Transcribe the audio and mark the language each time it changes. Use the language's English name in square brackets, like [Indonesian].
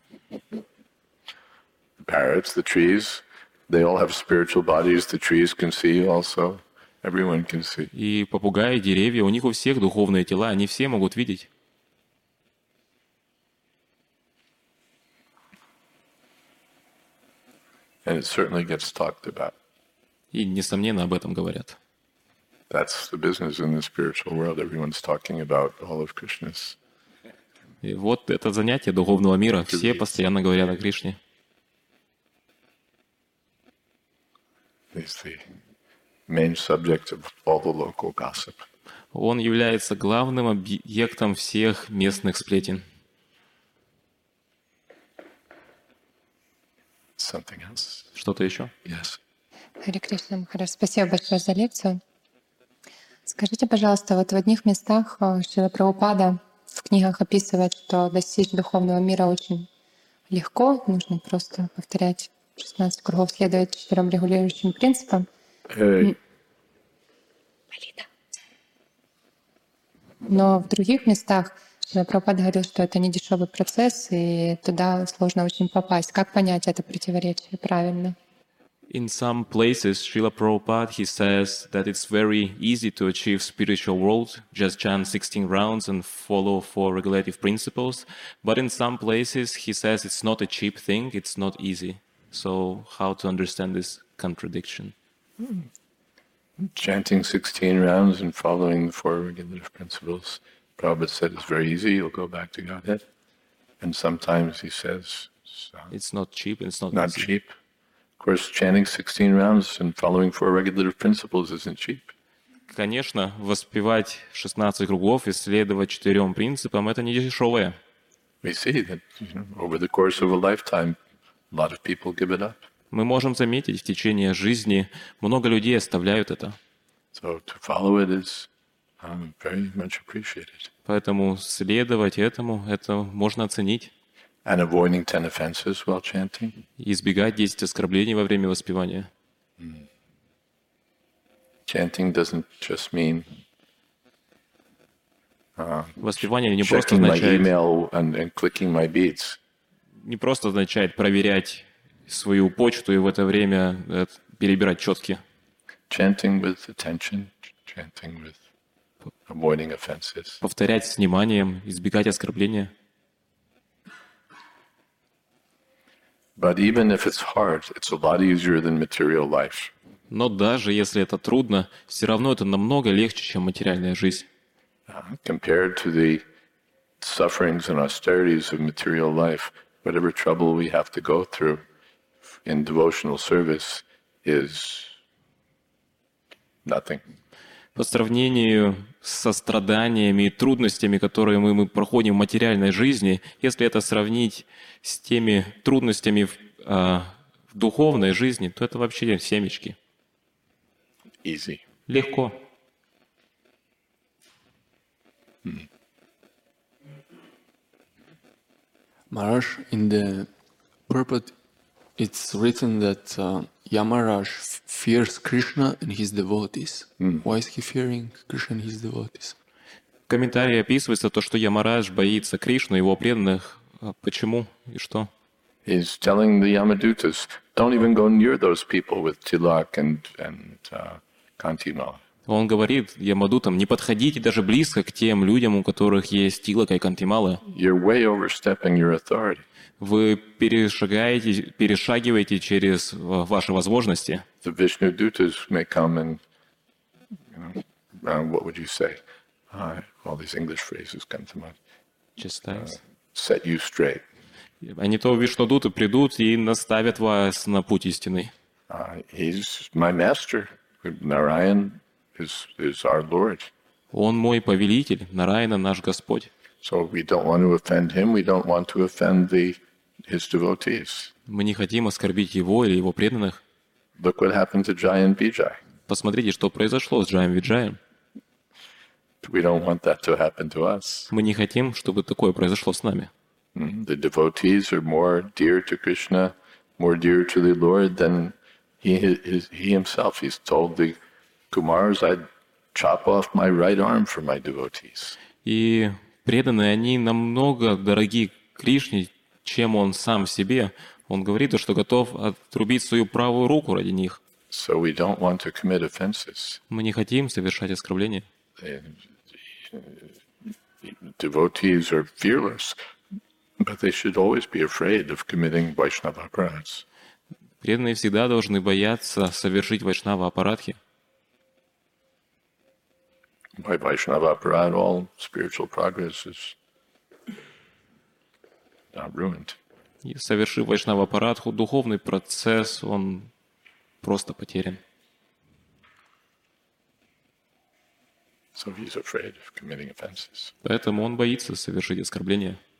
[English] The parrots, the trees, they all have spiritual bodies. The trees can see also. Everyone can see. [Russian] И попугаи, деревья, у них у всех духовные тела, они все могут видеть. [English] And it certainly gets talked about. [Russian] И несомненно об этом говорят. [English] That's the business in the spiritual world. Everyone's talking about all of Krishna's. [Russian] И вот это занятие духовного мира. Все постоянно говорят о Кришне. [English] He's the main subject of all the local gossip. [Russian] Он является главным объектом всех местных сплетен. [English] Something else. [Russian] Что-то еще? [English] Yes. [Russian] Хари Кришна Махарадж, спасибо большое за лекцию. Скажите, пожалуйста, вот в одних местах Шрила Прабхупада в книгах описывает, что достичь духовного мира очень легко, нужно просто повторять 16 кругов, следовать 4 регулирующим принципам. Но в других местах Шрила Прабхупада говорил, что это не дешевый процесс, и туда сложно очень попасть. Как понять это противоречие правильно? [English] In some places, Srila Prabhupada, he says that it's very easy to achieve spiritual world, just chant 16 rounds and follow four regulative principles. But in some places, he says it's not a cheap thing, it's not easy. So how to understand this contradiction? Chanting 16 rounds and following the four regulative principles, Prabhupada said it's very easy, you'll go back to Godhead. And sometimes he says... It's not cheap, it's not easy. Not cheap. Of course, chanting 16 rounds and following four regulative principles isn't cheap. [Russian] Конечно, воспевать 16 кругов и следовать четырем принципам – это не дешевое. [English] We see that, you know, over the course of a lifetime, a lot of people give it up. [Russian] Мы можем заметить, в течение жизни много людей оставляют это. [English] So to follow it is very much appreciated. [Russian] Поэтому следовать этому – это можно оценить. [English] And avoiding 10 offenses while chanting. [Russian] Избегать 10 оскорблений во время воспевания. [English] Chanting doesn't just mean. [Russian] Воспевание не просто означает. [English] Checking my email and clicking my beats. [Russian] Не просто означает проверять свою почту и в это время перебирать четки. [English] Chanting with attention. Chanting with avoiding offenses. [Russian] Повторять с вниманием, избегать оскорбления. [English] But even if it's hard, it's a lot easier than material life. [Russian] Но даже если это трудно, все равно это намного легче, чем материальная жизнь. [English] Compared to the sufferings and austerities of material life, whatever trouble we have to go through in devotional service is nothing. [Russian] По сравнению со страданиями и трудностями, которые мы проходим в материальной жизни, если это сравнить с теми трудностями в духовной жизни, то это вообще семечки. [English] Easy. [Russian] Легко. [English] Maharaj, in the purport, it's written that Yamaraj fears Krishna and his devotees. Why is he fearing Krishna and his devotees? [Russian] В комментарии описывается то, что Ямарадж боится Кришну и его преданных. Почему и что? [English] He's telling the Yamadutas, don't even go near those people with Tilak and Kanti Mala. [Russian] Он говорит Ямадутам, не подходите даже близко к тем людям, у которых есть Тилака и Канти Мала. [English] You're way overstepping your authority. [Russian] Вы перешагиваете через ваши возможности. [English] The Vishnu Dutas may come and, you know, what would you say? All these English phrases come to mind. Set you straight. [Russian] Они то Вишну Дуты придут и наставят вас на путь истины. [English] He's my master. Narayan is our Lord. [Russian] Он мой повелитель. Нараяна наш Господь. [English] So we don't want to offend him. We don't want to offend the His devotees. [Russian] Мы не хотим оскорбить его или его преданных. [English] Look what happened to Jai and Vijay. [Russian] Посмотрите, что произошло с Джаем Виджаем. [English] We don't want that to happen to us. [Russian] Мы не хотим, чтобы такое произошло с нами. [English] The devotees are more dear to Krishna, more dear to the Lord than he himself. He's told the Kumaras, I'd chop off my right arm for my devotees. [Russian] И преданные, они намного дороги Кришне, чем он сам себе. Он говорит, что готов отрубить свою правую руку ради них. [English] So we don't want to commit offenses. [Russian] Мы не хотим совершать оскорбления. [English] Devotees are fearless, but they should always be afraid of committing Vaishnava aparadhas. [Russian] Преданные всегда должны бояться совершить Вайшнава аппаратхи. [English] By Vaishnava aparadh, all spiritual progress is not ruined. [Russian] Совершив Вайшнава аппаратху, духовный процесс, он просто потерян. So he's afraid of committing offenses. Поэтому он боится совершить оскорбление.